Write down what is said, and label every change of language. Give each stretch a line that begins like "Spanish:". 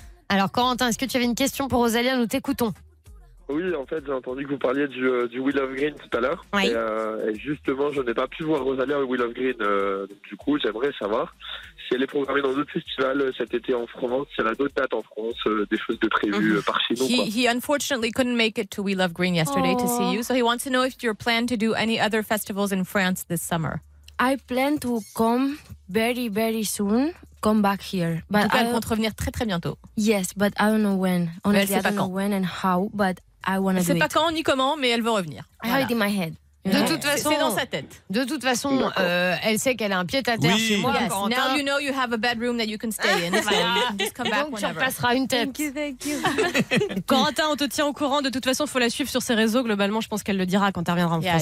French: Alors Corentin, est-ce que tu avais une question pour Rosalia? Nous t'écoutons. Oui, en fait, j'ai entendu que vous parliez du Wheel of Green tout à l'heure. Oui. Et justement, je n'ai pas pu voir Rosalia au Wheel of Green. Du coup, j'aimerais savoir si elle est programmée dans d'autres festivals cet été en France, si elle a d'autres dates en France, des choses de prévues par chez nous.
English: He unfortunately couldn't make it to Wheel of Green yesterday to see you, so he wants to know if you're planning to do any other festivals in France this summer. I plan to come very, very soon. Come back here.
French: But en tout cas, elle compte revenir très, très bientôt.
English: Yes, but I don't know when. Honestly,
French: elle sait pas quand.
English: I don't know when and how, but I want to do it.
French: Pas quand ni comment, mais elle veut revenir.
English: I have it in my head.
French: De toute façon, c'est dans sa tête. De toute façon, elle sait qu'elle a un pied à terre chez moi.
English: Yes. Now you know you have a bedroom that you can stay in. Voilà. Just come back
French: donc
English: whenever.
French: Tu repasseras une tête.
English: Thank you.
French: Corentin, on te tient au courant. De toute façon, il faut la suivre sur ses réseaux. Globalement, je pense qu'elle le dira quand elle reviendra en France.